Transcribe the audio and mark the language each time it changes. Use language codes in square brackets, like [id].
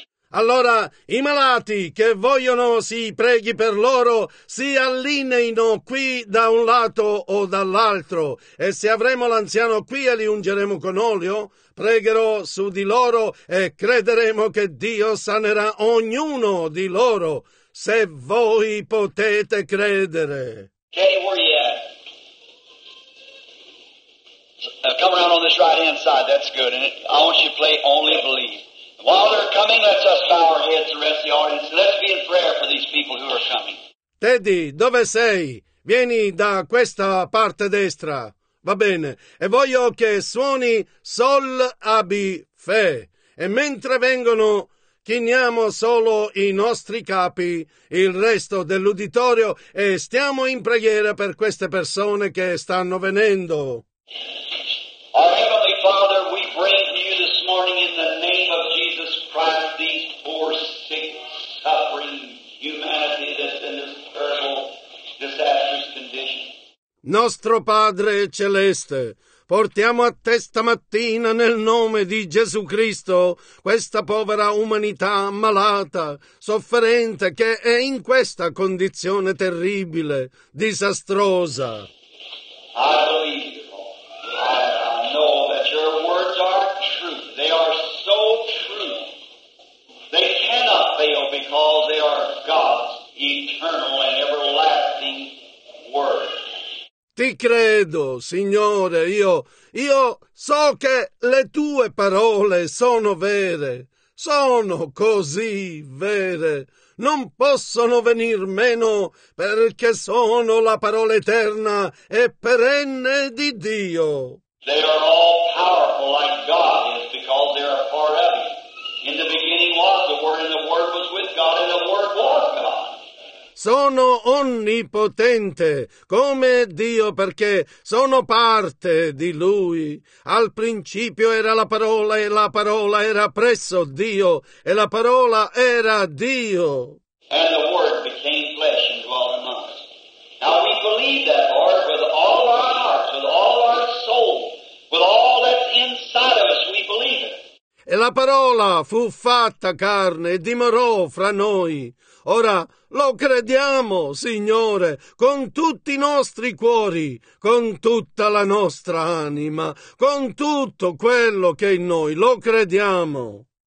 [it] Allora, i malati che vogliono si preghi per loro, si allineino qui da un lato o dall'altro. E se avremo l'anziano qui e li ungeremo con olio, pregherò su di loro e crederemo che Dio sanerà ognuno di loro, se voi potete credere. [en] Kenny, where are you at? Come around on this right-hand side, that's good. And I want you to play Only Believe. While they're coming, let's us bow our heads, the rest of the audience. Let's be in prayer for these people who are coming. [it] Teddy, dove sei? Vieni da questa parte destra. Va bene. E voglio che suoni Sol Abi Fe. E mentre vengono, chiniamo solo i nostri capi, il resto dell'uditorio, e stiamo in preghiera per queste persone che stanno venendo. [en] Our Heavenly Father, we bring to you this morning in the name of Jesus Christ these poor, sick, suffering humanity that's in this terrible, disastrous condition. [it] Nostro Padre Celeste, portiamo a te stamattina nel nome di Gesù Cristo questa povera umanità malata, sofferente, che è in questa condizione terribile, disastrosa. [en] I believe you, Lord. I know that your words are true. They are so true. They cannot fail because they are God's eternal and everlasting word. [it] Ti credo, Signore, io so che le tue parole sono vere, sono così vere, non possono venir meno perché sono la parola eterna e perenne di Dio. [en] They are all powerful like God is because they are part of you. In the beginning was the Word, and the Word was with God, and the Word was God. [it] Sono onnipotente come Dio perché sono parte di Lui. Al principio era la parola e la parola era presso Dio e la parola era Dio. [en] And the Word became flesh and dwelt among us. Now we believe that, Lord, with all our hearts, with all our soul, with all that's inside of us, we believe it. [it] E la parola fu fatta carne e dimorò fra noi. Ora lo crediamo, Signore, con tutti i nostri cuori, con tutta la nostra anima, con tutto quello che è in noi, lo crediamo.